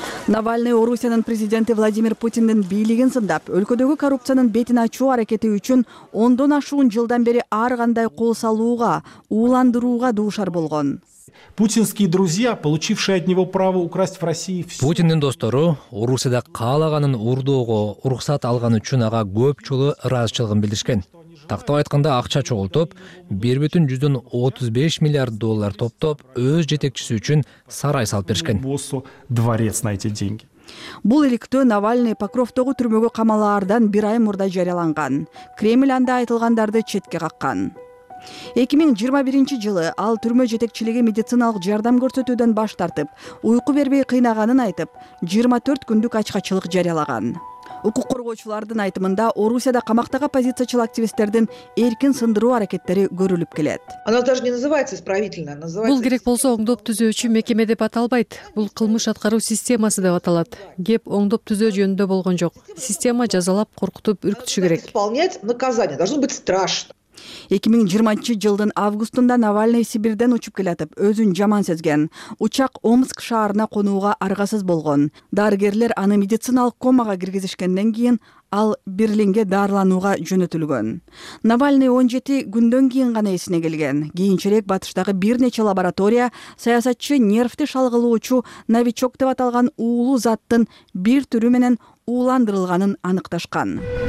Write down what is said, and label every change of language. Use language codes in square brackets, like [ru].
[ky] Навальный Орусиянын президенти Владимир Путиндин бийлигин сындап, өлкөдөгү коррупциянын бетин ачуу аракети үчүн 10 ашуун жылдан бери ар кандай кол салууга, ууландырууга дуушар болгон. [ru] Путинские друзья, получившие от него право украсть в России. [ky] Путиндин достору Орусияда каалаганын урдоого уруксат алган үчүн ага көп жолу ыраазычылыгын билдиришкен. Тактап айтканда, акча чогултуп, 1,135 миллиард доллар топтоп, өз жетекчиси үчүн сарай салып беришкен. Бул иликтөө Навальный Покровтогу түрмөгө камалаардан бир ай мурда жарыяланган. Кремль анда айтылгандарды четке каккан. 2021 жылы ал түрмө жетекчилиги медициналык жардам көрсөтүүдөн баш тартып, уйку бербей кыйнаганын айтып, 24 күндүк ачкачылык жарыялаган. Укук коргоочулардын айтымында Орусияда камактагы оппозициячыл активисттердин эркин сындыруу аракеттери көрүлүп келет. [ru] Она даже не называется исправительная, называется. [ky] Бул керек болсо оңдоп түзөөчү мекеме деп аталбайт. Бул кылмыш аткаруу системасы деп аталат. Кеп оңдоп түзөө жөнүндө болгон жок. Система жазалап, коркутуп, үркүтүшү керек. [ru] Исполнять наказание должно быть страшно. [ky] 2020 жылдын августунда Навальный Сибирден учуп келатып, өзүн жаман сезген. Учак Омск шаарына конууга аргасыз болгон. Дарыгерлер аны медициналык комага киргизишкенден кийин ал Берлинге дарыланууга жөнөтүлгөн. Навальный 17 күндөн кийин гана эсине келген. Кийинчерээк батыштагы бир нече лаборатория саясатчы нервти шалгылоочу новичок деп аталган уулуу заттын бир түрү менен ууландырылганын аныкташкан.